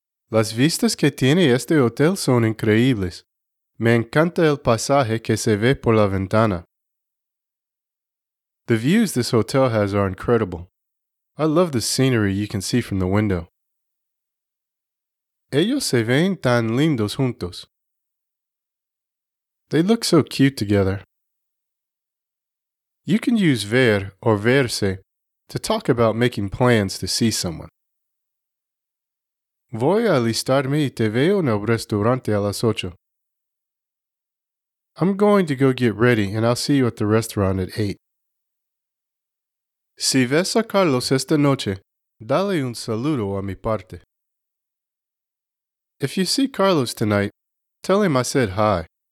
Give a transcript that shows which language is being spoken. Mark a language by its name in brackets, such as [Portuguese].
[Spanish] Las vistas que tiene este hotel son increíbles. Me encanta el paisaje que se ve por la ventana. [English] The views this hotel has are incredible. I love the scenery you can see from the window. [Spanish] Ellos se ven tan lindos juntos. [English] They look so cute together. You can use ver or verse to talk about making plans to see someone. [Spanish] Voy a alistarme y te veo en el restaurante a las 8. [English] I'm going to go get ready and I'll see you at the restaurant at 8. [Spanish] Si ves a Carlos esta noche, dale un saludo a mi parte. [English] If you see Carlos tonight, tell him I said hi.